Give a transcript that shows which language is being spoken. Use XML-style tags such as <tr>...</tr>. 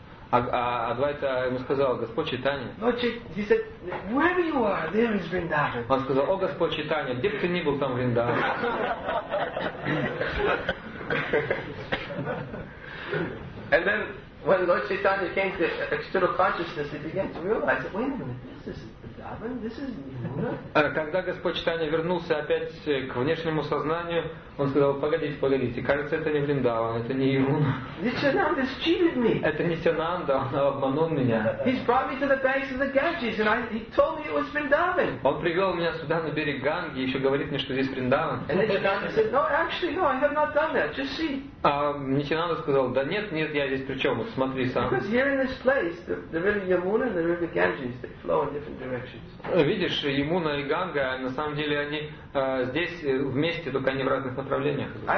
<ru>А Адвайта ему сказал, Господь Чайтанья.</ru> <en>He said, wherever you are, there is Vrindavan.</en> <ru>Он сказал, о Господь Чайтанья, где бы ты ни был, там Вриндаван.</ru> <en>And then when Lord Chaitanya came to external consciousness, he began to realize that, wait a minute, this is Vrindavan, this is Yamuna.</en> <ru>Когда Господь Чайтанья вернулся опять к внешнему сознанию, он сказал, погодите, погодите, кажется, это не Вриндаван, это не Ямуна.</ru> <en>Нитянанда cheated me.</en> <ru>Это не Сиананда, он обманул меня.</ru> <en>He's brought me to the banks of the Ganges, and he told me it was Vrindavan.</en> <ru>Он привел меня сюда на берег Ганги, еще говорит мне, что здесь Вриндаван.</ru> <en>And Нитянанда said, no, actually, no, I have not done that. Just see.</en> <ru>А Нитянанда сказал, да нет, нет, я здесь при чем? Вот смотри сам.</ru> <en>Because here in this place, the river Yamuna and the river Ganges, they flow in different directions.</en> <ru>Видишь, Ямуна и Ганга, на самом деле они здесь вместе, только они в разных направлениях.</ru>